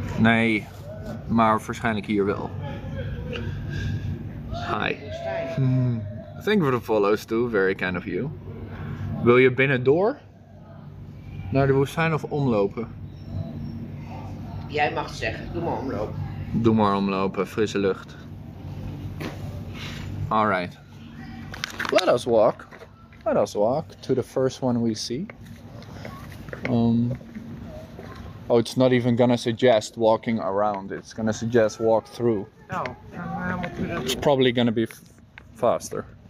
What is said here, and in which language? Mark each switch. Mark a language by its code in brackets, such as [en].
[nl] Nee, maar waarschijnlijk hier wel. [en] Hi. Thank you for the follows too, very kind of you. [nl] Wil je binnen door? Naar de woestijn of omlopen? Jij mag het zeggen, doe maar omlopen. Doe maar omlopen, frisse lucht. [en] Alright. Let us walk. Let us walk to the first one we see. Oh, it's not even gonna suggest walking around. It's gonna suggest walk through. Oh, it's probably gonna be faster.